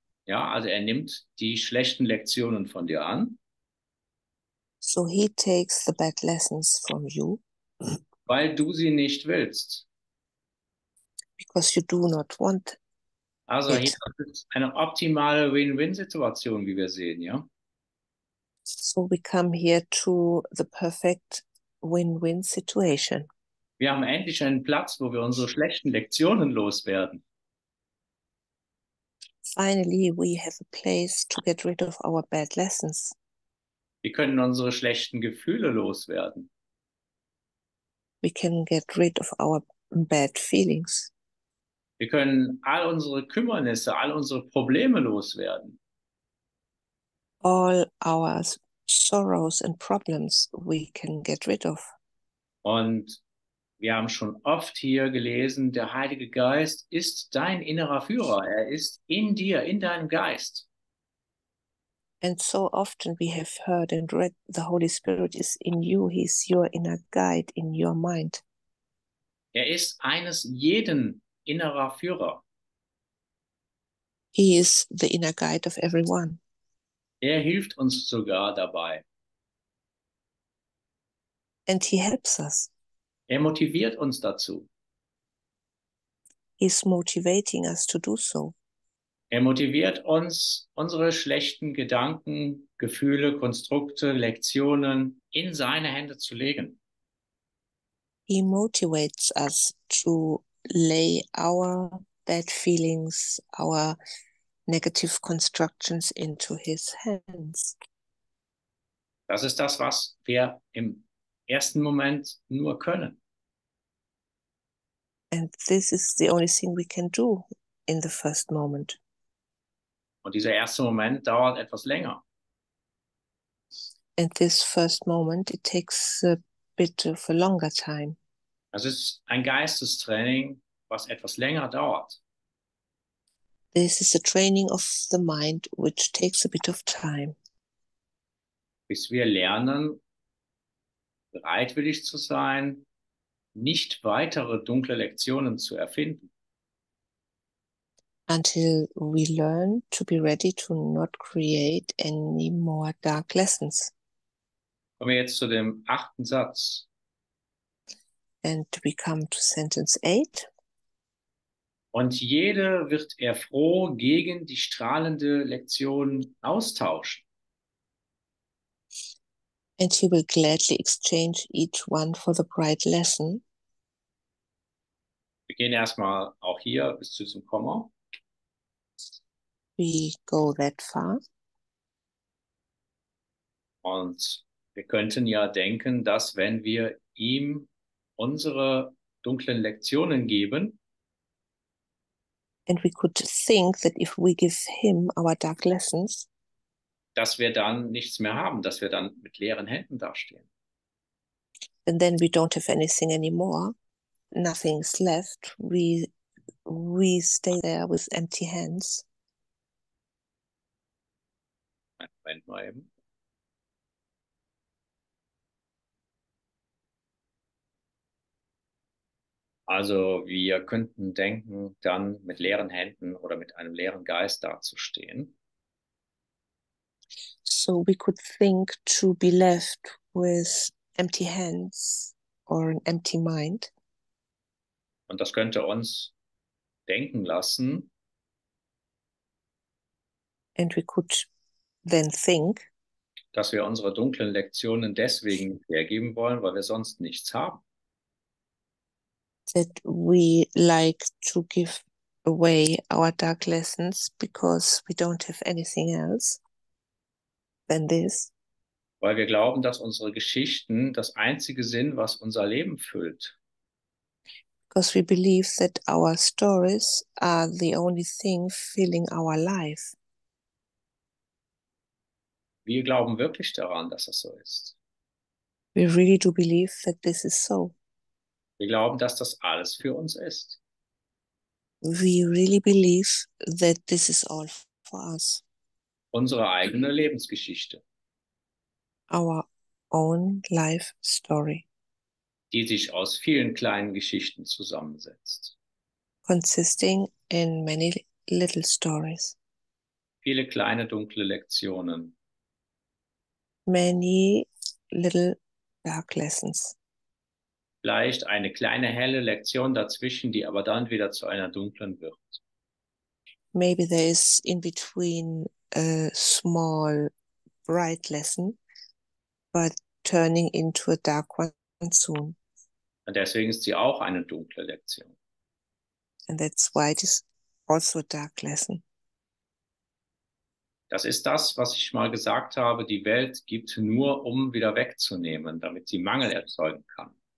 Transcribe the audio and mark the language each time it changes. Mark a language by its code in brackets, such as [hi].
[de] Ja, also er nimmt die schlechten Lektionen von dir an. [en] So he takes the bad lessons from you. [de] Weil du sie nicht willst. [en] Because you do not want. [de] Also hier ist eine optimale Win-Win-Situation, wie wir sehen, ja? [en] So we come here to the perfect win-win situation. [de] Wir haben endlich einen Platz, wo wir unsere schlechten Lektionen loswerden. [en] Finally, we have a place to get rid of our bad lessons. [de] Wir können unsere schlechten Gefühle loswerden. [en] We can get rid of our bad feelings. [de] Wir können all unsere Kümmernisse, all unsere Probleme loswerden. [en] All our sorrows and problems we can get rid of. [de] Und Wir haben schon oft hier gelesen, der Heilige Geist ist dein innerer Führer. Er ist in dir, in deinem Geist. [en] And so often we have heard and read, the Holy Spirit is in you, he is your inner guide in your mind. [de] Er ist eines jeden innerer Führer. [en] He is the inner guide of everyone. [de] Er hilft uns sogar dabei. [en] And he helps us. [de] Er motiviert uns dazu. [en] He is motivating us to do so. [de] Er motiviert uns, unsere schlechten Gedanken, Gefühle, Konstrukte, Lektionen in seine Hände zu legen. [en] He motivates us to lay our bad feelings, our negative constructions into his hands. [de] Das ist das, was wir im ersten Moment nur können. [en] And this is the only thing we can do in the first moment. [de] Und dieser erste Moment dauert etwas länger. [en] And this first moment, it takes a bit of a longer time. [de] Das ist ein Geistestraining, was etwas länger dauert. [en] This is a training of the mind, which takes a bit of time. [de] Bis wir lernen, bereitwillig zu sein, nicht weitere dunkle Lektionen zu erfinden. [en] Until we learn to be ready to not create any more dark lessons. [de] Kommen wir jetzt zu dem achten Satz. [en] And we come to sentence 8. [de] Und jeder wird er froh gegen die strahlende Lektion austauschen. [en] And he will gladly exchange each one for the bright lesson. [de] Wir gehen erstmal auch hier bis zu diesem Komma. [en] We go that far. [de] Und wir könnten ja denken, dass wenn wir ihm unsere dunklen Lektionen geben, [en] and we could think that if we give him our dark lessons, [de] dass wir dann nichts mehr haben, dass wir dann mit leeren Händen dastehen. [en] And then we don't have anything anymore. Nothing is left. We stay there with empty hands. [de] Moment mal eben. Also wir könnten denken, dann mit leeren Händen oder mit einem leeren Geist dazustehen. [en] So we could think to be left with empty hands or an empty mind. [de] Und das könnte uns denken lassen. [en] And we could then think, [de] dass wir unsere dunklen Lektionen deswegen hergeben wollen, weil wir sonst nichts haben. [en] That we like to give away our dark lessons because we don't have anything else. Than this. [de] Weil wir glauben, dass unsere Geschichten das einzige sind, was unser Leben füllt. [en] Because we believe that our stories are the only thing filling our life. [de] Wir glauben wirklich daran, dass das so ist. [en] We really do believe that this is so. [de] Wir glauben, dass das alles für uns ist. [en] We really believe that this is all for us. [de] Unsere eigene Lebensgeschichte. [en] Our own life story. [de] Die sich aus vielen kleinen Geschichten zusammensetzt. [en] Consisting in many little stories. [de] Viele kleine dunkle Lektionen. [en] Many little dark lessons. [de] Vielleicht eine kleine helle Lektion dazwischen, die aber dann wieder zu einer dunklen wird. [en] Maybe there is in between a small, bright lesson, but turning into a dark one soon. [de] Und deswegen ist sie auch eine dunkle Lektion. [en] And that's why it is also a dark lesson. [de] Das ist das, was ich mal gesagt habe, die Welt gibt nur, um wieder wegzunehmen, damit sie Mangel erzeugen kann.